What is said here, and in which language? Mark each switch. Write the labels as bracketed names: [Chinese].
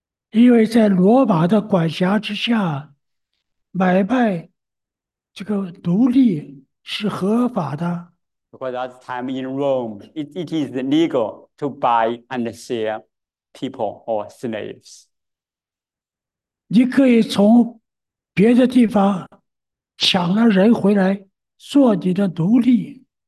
[Chinese] 因为在罗马的管辖之下。买卖这个奴隶是合法的， [English] Because at the time in Rome, it is legal to buy and sell people or slaves. [Chinese] 你可以从别的地方抢了人回来做你的奴隶。